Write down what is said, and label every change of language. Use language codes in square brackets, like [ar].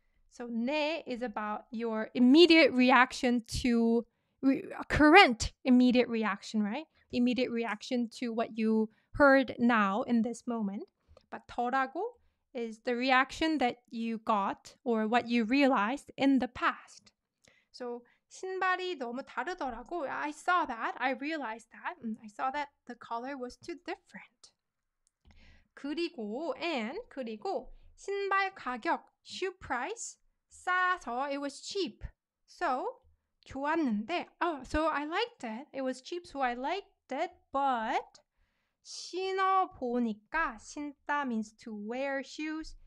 [en] So 네 is about your immediate reaction to, current immediate reaction, right? Immediate reaction to what you heard now in this moment. But 더라고 is the reaction that you got or what you realized in the past. [ko] So 신발이 너무 다르더라고. [en] I saw that. I realized that. I saw that the color was too different. 그리고 and [ko] 그리고 신발 가격, [en] shoe price, 싸서, it was cheap. So 좋았는데, oh, so I liked it. It was cheap, so I liked it. But [ko] 신어보니까, [en] 신다 means to wear shoes.